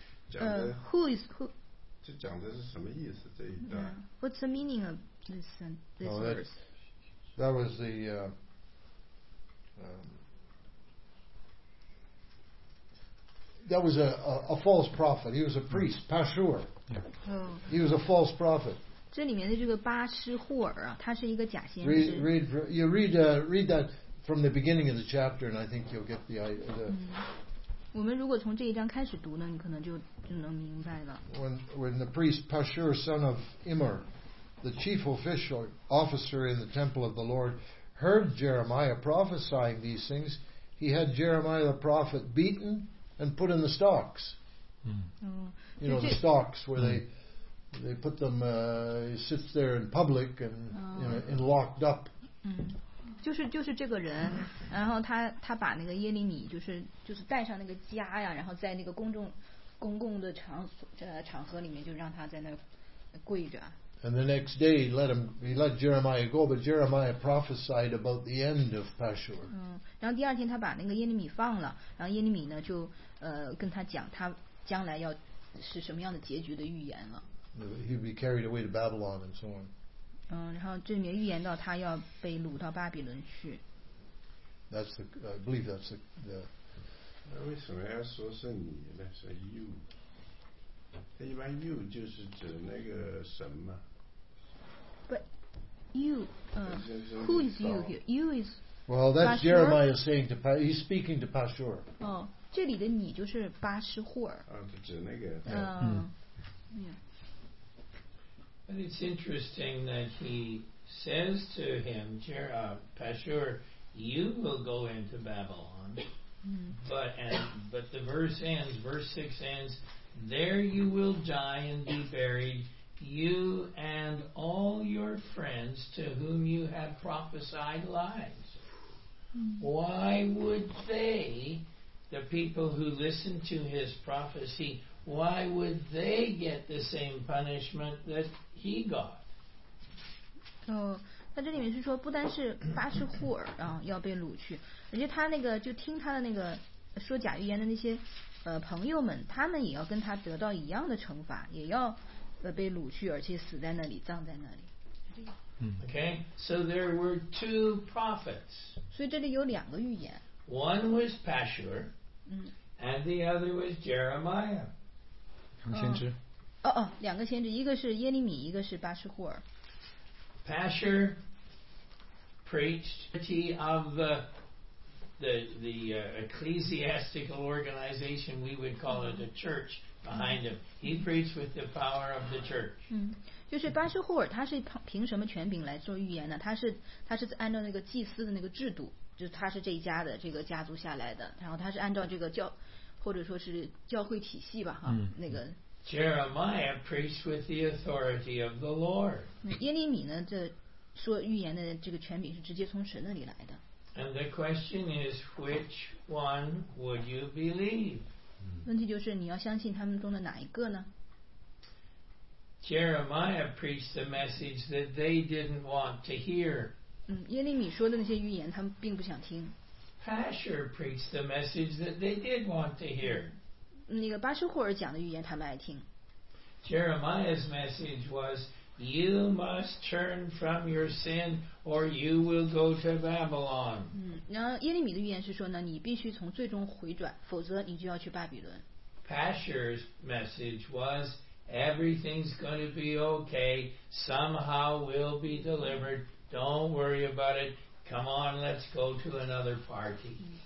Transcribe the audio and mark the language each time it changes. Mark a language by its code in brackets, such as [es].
[zh] 这讲的是什么意思这一段 [en] What's the meaning of this verse? That was the that was a false prophet. He was a priest, Pashur. He was a false prophet. [zh] 这里面的这个巴施户尔啊，他是一个假先知。 [en] Read that from the beginning of the chapter, and I think you'll get the idea. [zh] 我们如果从这一章开始读呢，你可能就能明白了。 [en] When the priest Pashur, son of Immer, the chief official officer in the temple of the Lord, heard Jeremiah prophesying these things, he had Jeremiah the prophet beaten and put in the stocks. You know the stocks where they put them. He sits there in public and you know, and locked up. [zh] 就是这个人，然后他把那个耶利米就是带上那个枷呀，然后在那个公共的场合里面就让他在那跪着。 [en] And the next day he let Jeremiah go, but Jeremiah prophesied about the end of Pashur. [zh] 然后第二天他把那个耶利米放了，然后耶利米呢就跟他讲他将来要是什么样的结局的预言了。 [en] He'd be carried away to Babylon and so on. [zh] 然后这里面预言到他要被掳到巴比伦去。 [en] That's the, I believe that's the. [zh] 那为什么要说是你呢？说 you？ 他一般 you 就是指那个神嘛。 [en] But you, who is you here? You is. Well, that's Jeremiah saying to Pa. He's speaking to Pashur. [zh] 这里的你就是巴施户尔。就指那个。 [en] But it's interesting that he says to him, Pashur, you will go into Babylon. But the verse ends, verse 6 ends, There you will die and be buried, you and all your friends to whom you have prophesied lies. Why would they, the people who listened to his prophecy, why would they get the same punishment that he got? [zh] 那这里面是说不单是巴士户尔啊要被掳去，而且他那个就听他的那个说假预言的那些朋友们，他们也要跟他得到一样的惩罚，也要被掳去，而且死在那里，葬在那里。 [en] Okay, so there were two prophets. [zh] 所以这里有两个预言。 [en] One was Pashur, and the other was Jeremiah. [zh] 两个先知。哦，两个先知，一个是耶利米，一个是巴士户尔。 [en] Pashur preached of the ecclesiastical organization, we would call it a church behind him. He preached with the power of the church. [zh] 就是巴士户尔，他是凭什么权柄来做预言呢？他是按照那个祭司的那个制度，就是他是这一家的这个家族下来的，然后他是按照这个教或者说是教会体系吧，哈，那个。 [en] Jeremiah preached with the authority of the Lord. [zh] 耶利米呢，这说预言的这个权柄是直接从神那里来的。 [en] And the question is, which one would you believe? [zh] 问题就是你要相信他们中的哪一个呢？ [en] Jeremiah preached the message that they didn't want to hear. [zh] 耶利米说的那些预言他们并不想听。 [en] Pashur preached the message that they did want to hear. [zh] 那个巴士户尔讲的预言他们爱听。 [en] Jeremiah's message was, you must turn from your sin or you will go to Babylon. [zh] 然后耶利米的预言是说呢，你必须从罪中回转，否则你就要去巴比伦。 [en] Pashur's message was, everything's going to be okay, somehow we'll be delivered, don't worry about it, come on, let's go to another party.